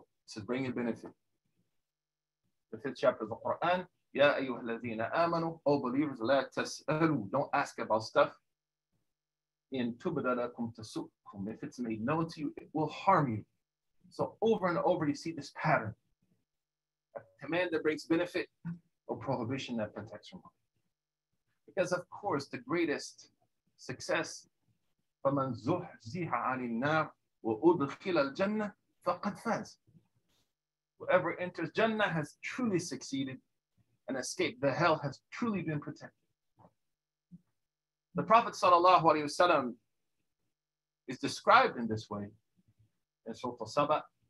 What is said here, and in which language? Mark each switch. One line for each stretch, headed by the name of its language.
English: It says, bring a benefit. The fifth chapter of the Quran,
Arabic: Ya ayyuhalladhina amanu,
English: O believers,
Arabic: la tas'alu,
English: don't ask about stuff.
Arabic: In tubadalakum tasukum,
English: if it's made known to you, it will harm you. So over and over, you see this pattern. A command that brings benefit, or prohibition that protects from harm. Because of course, the greatest success,
Arabic: فَمَنْ زُحْزِحَ عَنِ النَّارِ وَأُدْخِلَ الْجَنَّةِ فَقَدْ فَازَ.
English: Whoever enters Jannah has truly succeeded and escaped the hell has truly been protected. The Prophet sallallahu alayhi wa sallam is described in this way in Surah Al-Saba.